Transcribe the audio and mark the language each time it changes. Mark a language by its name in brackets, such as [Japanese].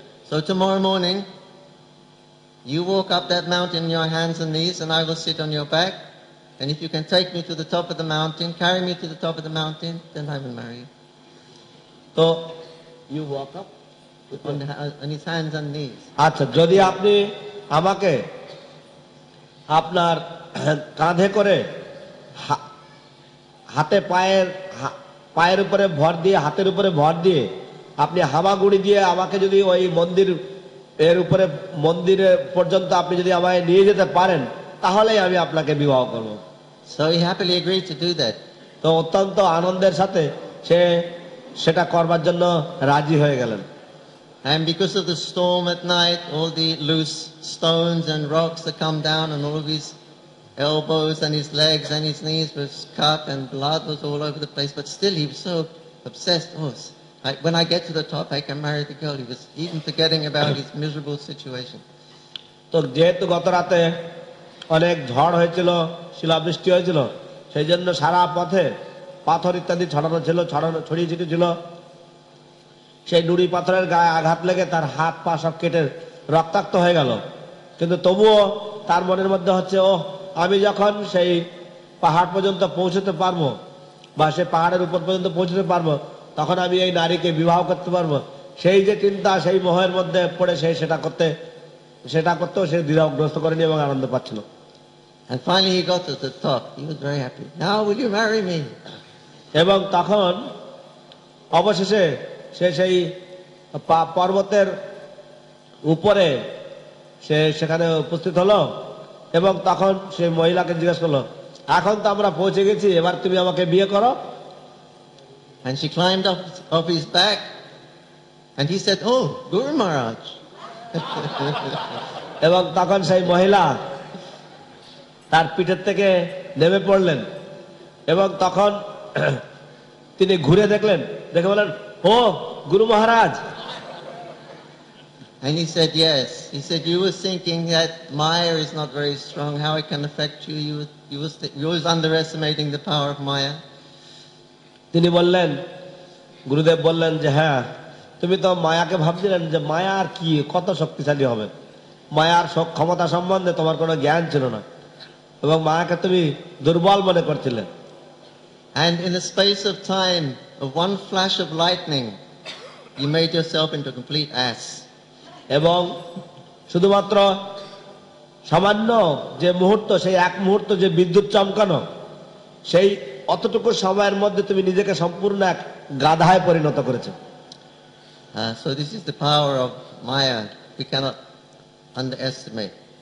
[English] So tomorrow morning, you walk up that mountain on your hands and knees and I will sit on your back. And if you can take me to the top of the mountain, carry me to the top of the mountain, then I will marry you. So, you walk up on his hands and knees. [Bangla] আচ্ছা, যদি আপনি আমাকে আপনার কাঁধে করে হাতে পায়ের পায়ের উপরে ভর দিয়ে হাতের উপরে ভর দিয়ে আপনি হামাগুড়ি দিয়ে আমাকে যদি ওই মন্দির এর উপরে মন্দিরে পর্যন্ত আপনি যদি আমায় নিয়ে যেতে পারেন তাহলেই আমি আপনাকে বিবাহ করব। [English] So he happily agreed to do that. [Bangla] তো অত্যন্ত আনন্দের সাথে সে সেটা করবার জন্য রাজি হয়ে গেলেন। [English] And because of the storm at night, all the loose stones and rocks that come down and all of his elbows and his legs and his knees was cut and blood was all over the place, but still he was so obsessed. Oh, when I get to the top, I can marry the girl. He was even forgetting about his miserable situation. [Bangla] তো যেহেতু গত রাতে অনেক ঝড় হয়েছিল, শিলাবৃষ্টি হয়েছিল, সেই জন্য সারা পথে পাথর ইত্যাদি ছড়ানো ছিল, ছড়িয়ে ছিটেছিল। সেই নুড়ি পাথরের গায়ে আঘাত লেগে তার হাত পা সব কেটে রক্তাক্ত হয়ে গেল, কিন্তু তবুও তার মনের মধ্যে হচ্ছে, ও আমি যখন সেই পাহাড় পর্যন্ত পৌঁছতে পারবো বা সেই পাহাড়ের উপর পর্যন্ত পৌঁছতে পারবো তখন আমি এই নারীকে বিবাহ করতে পারবো। সেই যে চিন্তা সেই মোহের মধ্যে পড়ে সে সেটা করতেও সে দ্বিধাগ্রস্ত করেনি এবং আনন্দ পাচ্ছিল। [English] And finally he got to the top. He was very happy. Now will you marry me? [Bangla] এবং তখন অবশেষে সে সেই পর্বতের উপরে সে সেখানে উপস্থিত হলো এবং তখন সে মহিলাকে জিজ্ঞেস করলো, এখন তো আমরা পৌঁছে গেছি, এবার তুমি আমাকে বিয়ে করো। [English] And she climbed up off his back and he said, oh, Guru Maharaj. [Bangla] এবং তখন সেই মহিলা তার পিঠের থেকে নেমে পড়লেন এবং তখন তিনি ঘুরে দেখলেন, দেখে বললেন, ও গুরু মহারাজ। [English] And he said, yes. He said, you were thinking that Maya is not very strong. How it can affect you? You were underestimating the power of Maya. [Bangla] তিনি বললেন, গুরুদেব বললেন যে হ্যাঁ, তুমি তো মায়াকে ভাবছিলেন যে মায়া আর কি কত শক্তিশালী হবে, মায়ার সব ক্ষমতা সম্বন্ধে তোমার কোনো জ্ঞান ছিল না এবং মায়াকে তুমি দুর্বল মনে করছিলে। [English] And in the space of time, of one flash of lightning, you made yourself into a complete ass. [Bangla] এবং শুধুমাত্র সামান্য যে মুহূর্ত, সেই এক মুহূর্ত যে বিদ্যুৎ চমকানো, সেই অতটুকু সময়ের মধ্যে তুমি নিজেকে সম্পূর্ণ এক গাধায় পরিণত করেছো। [English] So this is the power of Maya. We cannot underestimate.